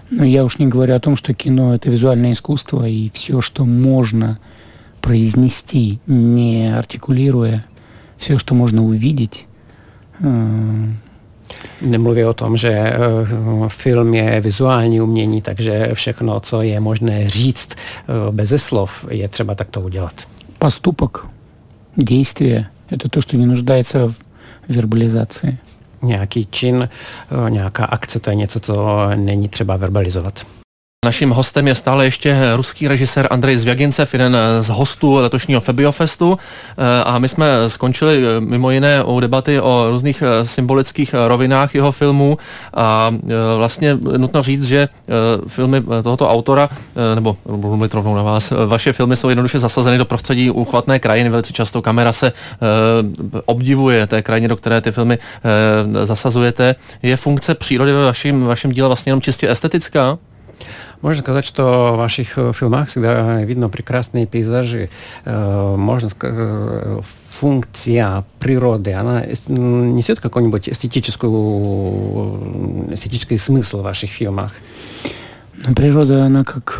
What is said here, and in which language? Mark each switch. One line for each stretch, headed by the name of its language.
Czech: No já už nemluvím o tom, že kino je to vizuální iskustvo a vše, co možno
Russian: произнести, не артикулируя все, что можно увидеть.
Czech: Nemluví o tom, že film je vizuální umění, takže všechno, co je možné říct beze slov, je třeba takto udělat.
Russian: Поступок, действие – это то, что не нуждается в вербализации.
Czech: Nějaký čin, nějaká akce, to je něco, co není třeba verbalizovat. Naším hostem je stále ještě ruský režisér Andrej Zvjagincev, jeden z hostů letošního Febiofestu. A my jsme skončili mimo jiné u debaty o různých symbolických rovinách jeho filmů. A vlastně nutno říct, že filmy tohoto autora, nebo budu mluvit rovnou na vás, vaše filmy jsou jednoduše zasazeny do prostředí úchvatné krajiny. Velice často kamera se obdivuje té krajině, do které ty filmy zasazujete. Je funkce přírody ve vašem díle vlastně jenom čistě estetická?
Russian: Можно сказать, что в ваших фильмах всегда видно прекрасные пейзажи. Можно сказать, функция природы, она несет какой-нибудь эстетический смысл в ваших фильмах? Природа, она как...